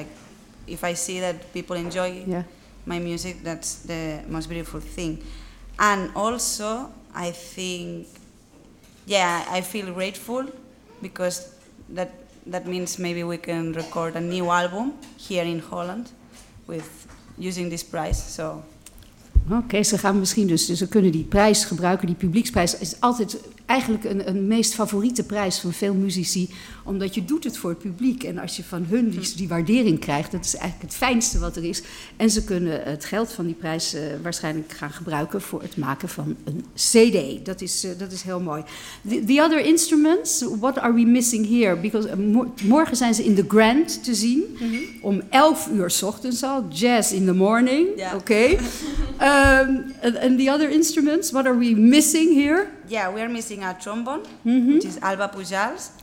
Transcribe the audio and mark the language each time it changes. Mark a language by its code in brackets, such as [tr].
[en] Like, if I see that people enjoy my music, that's the most beautiful thing. And also, I think, I feel grateful because that means maybe we can record a new album here in Holland with using this prize. So. [nl] Oké, ze gaan misschien dus, ze kunnen die prijs gebruiken, die publieksprijs is altijd eigenlijk een meest favoriete prijs van veel muzici, omdat je doet het voor het publiek en als je van hun die waardering krijgt, dat is eigenlijk het fijnste wat er is. En ze kunnen het geld van die prijs waarschijnlijk gaan gebruiken voor het maken van een CD. Dat is heel mooi. [en] The other instruments, what are we missing here? Because [nl] morgen zijn ze in de Grand te zien, om 11:00 ochtends al, [en] jazz in the morning, okay. And the other instruments, what are we missing here? Yeah, we are missing a trombone, which is Alba Pujals.